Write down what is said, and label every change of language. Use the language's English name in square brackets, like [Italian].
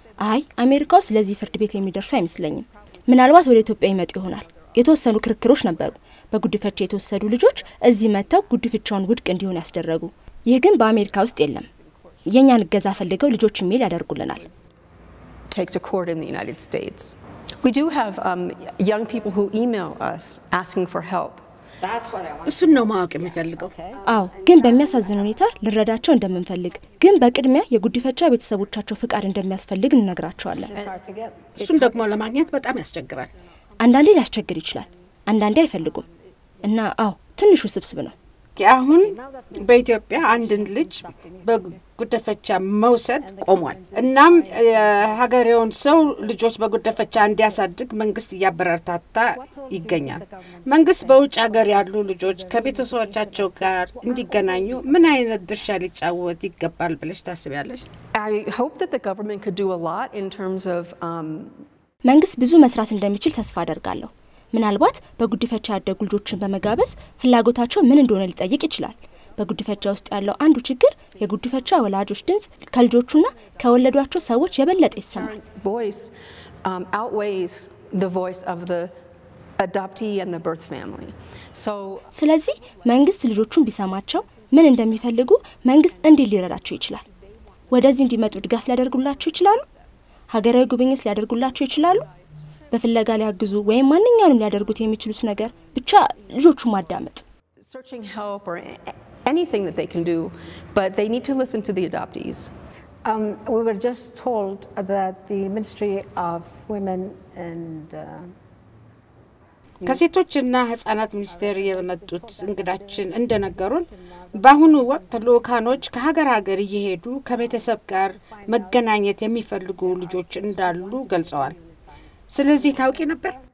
[Amharic] አይ አሜሪካ ውስጥ ለዚህ ፍርድ ቤት የሚደርሱ አይመስለኝም። ምናልባት ወደ ኢትዮጵያ ይመጡ ይሆናል። የተወሰኑ ክርክሮች ነበሩ። በጉድፈቻ የተወሰዱ ልጆች እዚህ መጥተው ጉድፈቻውን ውድቅ እንዲሆን ያስደረጉ። ይህ ግን በአሜሪካ ውስጥ የለም። የኛን ገዛ ፈልገው ልጆችን ሜል ያደርጉልናል። [English] Take to court in the United States. We do have young people who email us asking for help. That's what I want. [Amharic] እሱን ነው ማወቅ የሚፈልገው። አዎ ግን በሚያሳዝን ሁኔታ ልረዳቸው እንደምንፈልግ ግን በቅድሚያ የጉድፈቻ ቤተሰቦቻቸው ፍቃድ እንደሚያስፈልግ እንነግራቸዋለን። እሱን ደግሞ ለማግኘት በጣም ያስቸግራል። አንዳንዴ ሊያስቸግር ይችላል። አንዳንዴ አይፈልጉም። እና አዎ ትንሽ ውስብስብ ነው። አሁን በኢትዮጵያ አንድን ልጅ በጉድፈቻ መውሰድ ቆሟል። እናም ሀገሬውን ሰው ልጆች በጉድፈቻ እንዲያሳድግ መንግስት ያበረታታ ይገኛል። መንግስት በውጭ ሀገር ያሉ ልጆች ከቤተሰቦቻቸው ጋር እንዲገናኙ ምን አይነት ድርሻ ሊጫወት ይገባል ብለሽ ታስቢያለሽ? [English] I hope that the government could do a lot in terms of [Amharic] መንግስት ብዙ መስራት እንደሚችል ተስፋ አደርጋለሁ። ምናልባት በጉድፈቻ ያደጉ ልጆችን በመጋበዝ ፍላጎታቸው ምን እንደሆነ ሊጠይቅ ይችላል። በጉድፈቻ ውስጥ ያለው አንዱ ችግር የጉድፈቻ ወላጆች ድምጽ ከልጆቹና ከወለዷቸው ሰዎች የበለጠ ይሰማል። [English] Voice outweighs the voice of the adoptee and the birth family. So [Amharic] ስለዚህ መንግስት ልጆቹን ቢሰማቸው ምን እንደሚፈልጉ መንግስት እንዴት ሊረዳቸው ይችላል? ወደዚህ እንዲመጡ ድጋፍ ሊያደርጉላቸው ይችላሉ? ሀገራዊ ጉብኝት ሊያደርጉላቸው ይችላሉ? በፍለጋ ሊያግዙ ወይም ማንኛውንም ሊያደርጉት የሚችሉት ነገር ብቻ ልጆቹ ማዳመጥ [English] searching help or anything that they can do, but they need to listen to the adoptees. We were just told that the Ministry of Women and [Amharic] ከሴቶችና ህጻናት ሚኒስቴር የመጡት እንግዳችን እንደነገሩን በአሁኑ ወቅት ልኡካኖች ከሀገር ሀገር እየሄዱ ከቤተሰብ ጋር መገናኘት የሚፈልጉ ልጆች እንዳሉ ገልጸዋል። ስለዚህ ታውቂ ነበር?